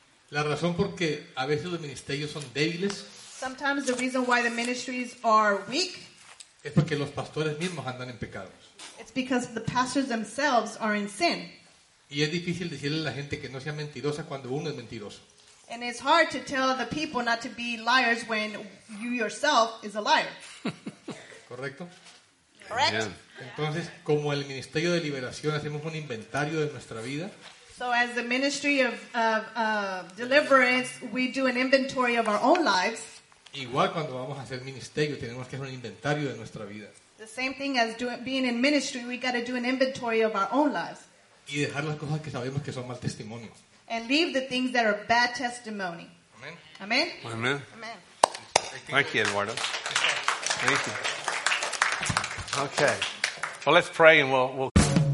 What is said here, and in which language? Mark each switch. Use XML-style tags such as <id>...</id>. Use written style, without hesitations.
<es>La razón porque a veces los ministerios son débiles.</es> <en>Sometimes the reason why the ministries are weak.</en> <es>Es porque los pastores mismos andan en pecados.</es> <en>It's because the pastors themselves are in sin.</en> <es>Y es difícil decirle a la gente que no sea mentirosa cuando uno es mentiroso.</es> <en>And it's hard to tell the people not to be liars when you yourself is a liar.</en> <es>¿Correcto?</es> <en>Correct.</en> <es>Entonces, como el ministerio de liberación hacemos un inventario de nuestra vida.</es> <en>So as the ministry of deliverance, we do an inventory of our own lives.</en> <es>Igual cuando vamos a hacer ministerio, tenemos que hacer un inventario de nuestra vida.</es> <en>The same thing as being in ministry, we got to do an inventory of our own lives.</en> <es>Y dejar las cosas que sabemos que son mal testimonio.</es> <en>And leave the things that are bad testimony. Amen. Amen. Amen. Amen. Thank you, Eduardo. Thank you. Okay. Well, let's pray and we'll.</en>